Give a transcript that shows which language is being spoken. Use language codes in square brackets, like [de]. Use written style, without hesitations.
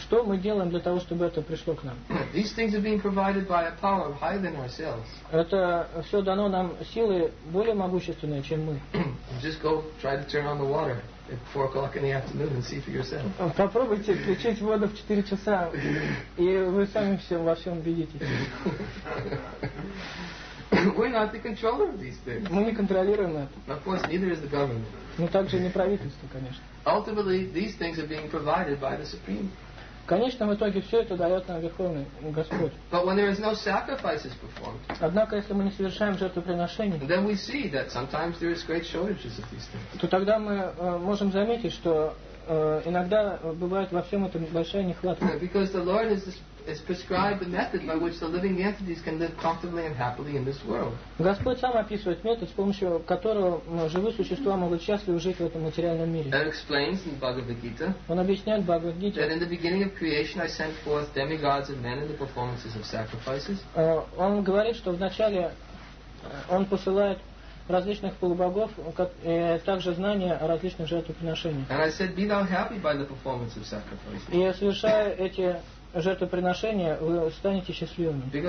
[ru] Что мы делаем для того, чтобы это пришло к нам? [en] These things are being provided by a power higher than ourselves. [ru] Это все дано нам силы более могущественные, чем мы. [en] Just go try to turn on the water at 4:00 in the afternoon and see for yourself. [ru] Попробуйте включить воду в 4 часа, и вы сами во всем убедитесь. [en] We're not the controller of these things. [ru] Мы не контролируем это. [en] Of course, neither is the government. [ru] Но также не правительство, конечно. [en] Ultimately, these things are being provided by the supreme. [ru] В конечном итоге все это дает нам Верховный Господь. [en] But when there is no sacrifices performed, [ru] однако, если мы не совершаем жертвоприношений, [en] then we see that sometimes there is great shortages of these things. [ru] То тогда мы можем заметить, что иногда бывает во всем этом большая нехватка. [en] Because the Lord has prescribed the method by which the living entities can live comfortably and happily in this world. [ru] Господь сам описывает метод, с помощью которого живые существа могут счастливо жить в этом материальном мире. [en] That explains in Bhagavad Gita. [ru] Он объясняет в Бхагавад Гите. [en] That in the beginning of creation I sent forth demigods and men in the performances of sacrifices. [ru] Он говорит, что вначале он посылает различных полубогов, как, и также знания о различных жертвоприношениях. И совершая эти жертвоприношения, вы станете счастливыми.